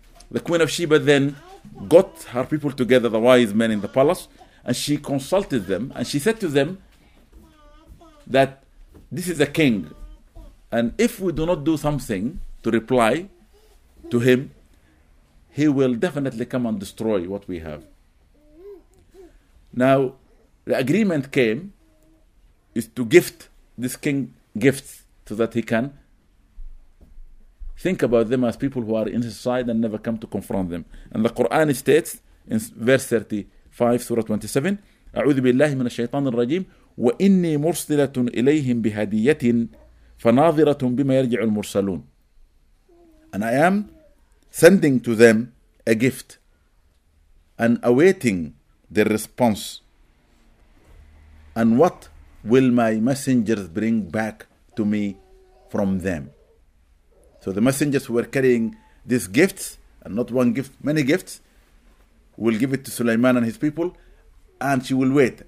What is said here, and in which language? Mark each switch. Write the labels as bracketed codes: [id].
[en] The Queen of Sheba then got her people together, the wise men in the palace, and she consulted them, and she said to them that this is a king, and if we do not do something to reply to him, he will definitely come and destroy what we have. Now, the agreement came is to gift this king gifts so that he can think about them as people who are in his side and never come to confront them. And the Quran states in verse 35, Surah 27, [ar] أعوذ بالله من الشيطان الرجيم وإني مرسلة إليهم بهدية فناظرة بما يرجع المرسلون. [en] And I am sending to them a gift and awaiting their response. And what will my messengers bring back to me from them? So the messengers who were carrying these gifts, and not one gift, many gifts, will give it to Sulaiman and his people, and she will wait.